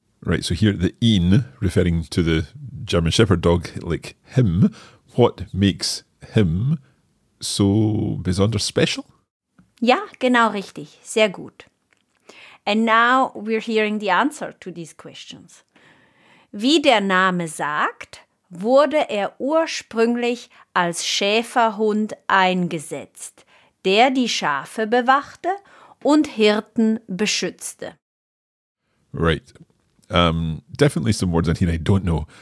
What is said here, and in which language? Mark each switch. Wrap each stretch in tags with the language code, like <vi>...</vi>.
<en>Right, so here the ihn, referring to the German Shepherd dog, like him, what makes him so besonders special?</en> <de>Ja, genau richtig. Sehr gut.</de> <en>And now we're hearing the answer to these questions.</en> <de>Wie der Name sagt, wurde er ursprünglich als Schäferhund eingesetzt, der die Schafe bewachte und Hirten beschützte.</de> <en>Right. Definitely some words in here I don't know.</en>